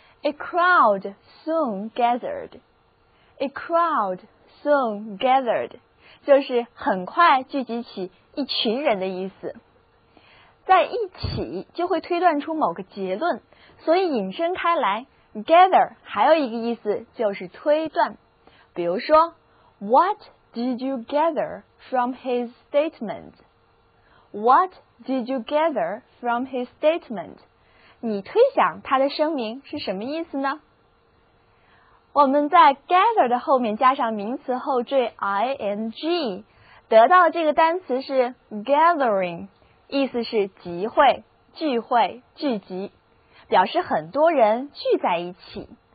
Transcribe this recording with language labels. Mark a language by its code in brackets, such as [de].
[en] A crowd soon gathered. [zh] A crowd soon gathered， 就是很快聚集起一群人的意思。在一起就会推断出某个结论，所以引申开来 gather 还有一个意思就是推断。比如说 [en] What did you gather from his statement? What did you gather from his statement? [zh] 你推想他的声明是什么意思呢？我们在 gather 的后面加上名词后缀 ing， 得到的这个单词是 gathering， 意思是集会、聚会、聚集，表示很多人聚在一起。